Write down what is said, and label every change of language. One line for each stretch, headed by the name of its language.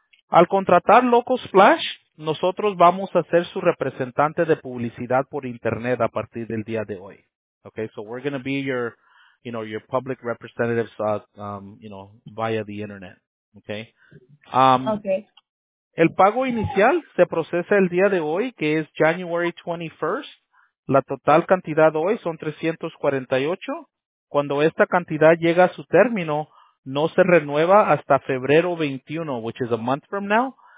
Spanish: Al contratar Loco Splash, nosotros vamos a ser su representante de publicidad por internet a partir del día de hoy.
English: Okay, so we're going to be your, you know, your public representatives, you know, via the internet. Okay. Okay.
Spanish: El pago inicial se procesa el día de hoy, que es January 21st. La total cantidad hoy son 348. Cuando esta cantidad llega a su término, no se renueva hasta febrero 21,
English: which is a month from now.